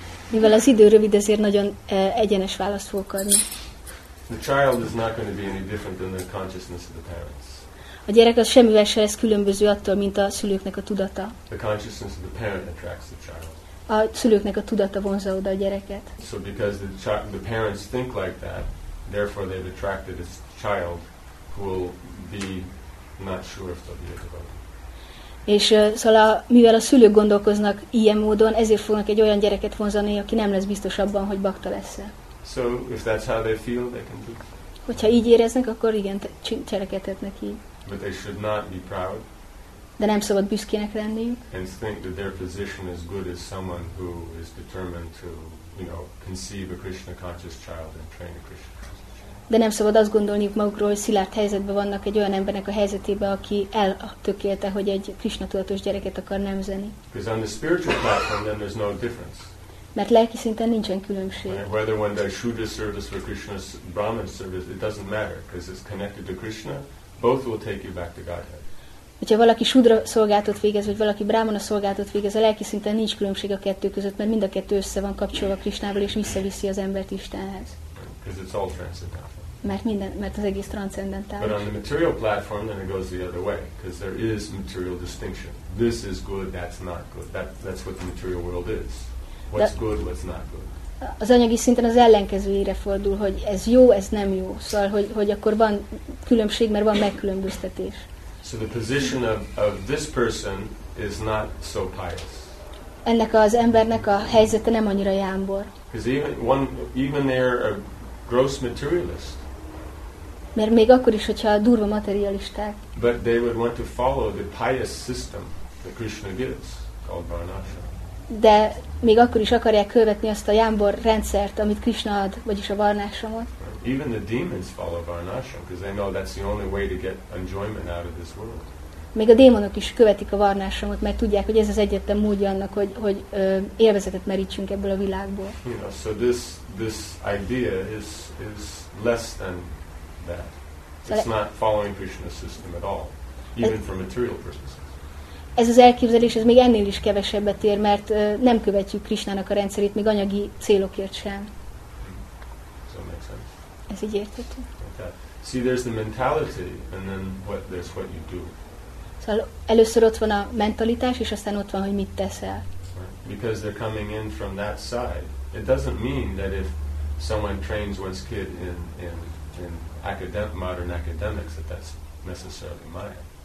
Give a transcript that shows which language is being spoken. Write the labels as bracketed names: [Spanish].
[Hungarian] Mivel az idő rövid, ezért nagyon egyenes választ fogok adni. [English] The child is not going to be any different than the consciousness of the parents. [Hungarian] A gyerek az semmivel se lesz különböző attól, mint a szülőknek a tudata. [English] The consciousness of the parent attracts the child. [Hungarian] A szülőknek a tudata vonza oda a gyereket. [English] So because the parents think like that, therefore they've attracted a child who will be not sure if they'll be a devotee. [Hungarian] És szóval mivel a szülők gondolkoznak ilyen módon, ezért fognak egy olyan gyereket vonzani, aki nem lesz biztos abban, hogy bakta lesz. [English] So if that's how they feel, they can do. [Hungarian] Hogyha így éreznek, akkor igen, cselekedhetnek így. [English] But they should not be proud. [Hungarian] De nem szabad büszkének lenniük. [English] And think that their position is good as someone who is determined to, you know, conceive a Krishna conscious child and train a Krishna conscious child. [Hungarian] De nem szabad azt gondolniuk magukról, hogy szilárd helyzetben vannak egy olyan embernek a helyzetében, aki eltökélte, hogy egy Krishna tudatos gyereket akar nemzeni. [English] Because on the spiritual platform, then there's no difference. [Hungarian] Mert lelki szinten nincsen különbség. [English] Whether one does Shudra service or Krishna's Brahman service, it doesn't matter, because it's connected to Krishna. Both will take you back to Godhead. [Hungarian] Hogyha valaki Shudra szolgálatot végez, vagy valaki Brahmana szolgálatot végez, a lelki szinten nincs különbség a kettő között, mert mind a kettő össze van kapcsolva Krishnával, és visszaviszi az embert Istenhez. [English] Because it's all transcendental. [Hungarian] Mert az egész transzendentális. [English] But on the material platform, then it goes the other way, because there is material distinction. This is good, that's not good. That's what the material world is. What's good, what's not good. [Hungarian] Az anyagi szinten az ellenkezőjére fordul, hogy ez jó, ez nem jó. Szóval, hogy akkor van különbség, mert van megkülönböztetés. [English] So the position of this person is not so pious. [Hungarian] Ennek az embernek a helyzete nem annyira jámbor. [English] Because even they're a gross materialist. [Hungarian] Mert még akkor is, hogyha durva materialisták. [English] But they would want to follow the pious system that Krishna gives, called Varnasha. [Hungarian] De még akkor is akarják követni azt a jámbor rendszert, amit Krishna ad, vagyis a Varnashramot. [English] Even the demons follow Varnashram, because they know that's the only way to get enjoyment out of this world. [Hungarian] Még a démonok is követik a Varnashramot, mert tudják, hogy ez az egyetlen módja annak, hogy élvezetet merítsünk ebből a világból. [English] You know, so this idea is less than that. It's not following Krishna's system at all, even for material purposes. [Hungarian] Ez az elképzelés, ez még ennél is kevesebbet ér, mert nem követjük Krisnának a rendszerét, még anyagi célokért sem. [English] So it makes sense. [Hungarian] Ez így értető. [English] Okay. See, there's the mentality, and then there's what you do. [Hungarian] Szóval először ott van a mentalitás, és aztán ott van, hogy mit teszel. [English] Because they're coming in from that side. It doesn't mean that if someone trains one's kid in modern academics, that that's necessarily Maya.